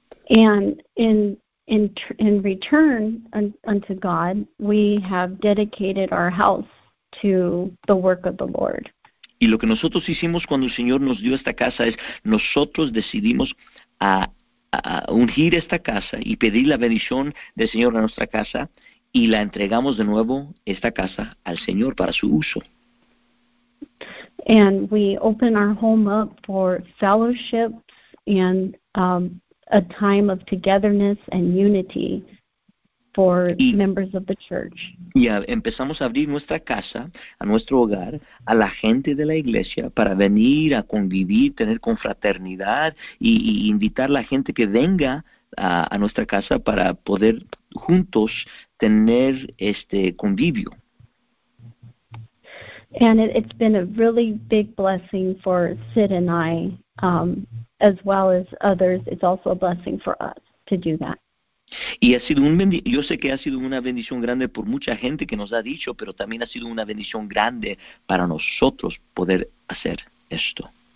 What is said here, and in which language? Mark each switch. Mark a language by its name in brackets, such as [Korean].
[English] And in return unto God, we have dedicated our house to the work of the Lord. [Spanish] Y lo que nosotros hicimos cuando el Señor nos dio esta casa es nosotros decidimos a ungir esta casa y pedir la bendición del Señor a nuestra casa, y la entregamos de nuevo esta casa al Señor para su uso. [English] And we open our home up for fellowships and a time of togetherness and unity for members of the church. [Spanish] Ya empezamos a abrir nuestra casa, a nuestro hogar, a la gente de la iglesia para venir a convivir, tener confraternidad y invitar a la gente que venga a nuestra casa para poder juntos tener este convivio. [English] And it's been a really big blessing for Sid and I, as well as others. It's also a blessing for us to do that. [Spanish] Y ha sido yo sé que ha sido una bendición grande por mucha gente que nos ha dicho, pero también ha sido una bendición grande para nosotros poder hacer esto.